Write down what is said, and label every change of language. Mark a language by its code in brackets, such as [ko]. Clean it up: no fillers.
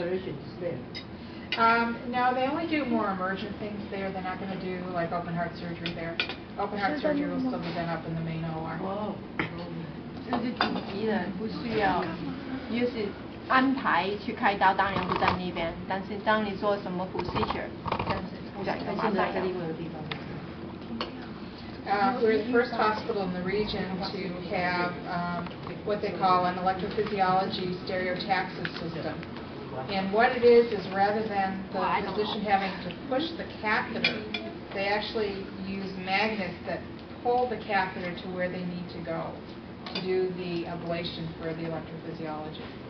[en] Now they only do more emergent things there. They're not going to do like open heart surgery there. Open heart surgery will still be done up in the main OR. [zh] 哦，这是紧急的，不需要，也是。安排去开刀当然不在那边，但是当你做什么 procedure， 但是在现在这个地方。 [en] We're the first hospital in the region to have what they call an electrophysiology stereotaxis system. And what it is rather than the physician having to push the catheter, they actually use magnets that pull the catheter to where they need to go to do the ablation for the electrophysiology.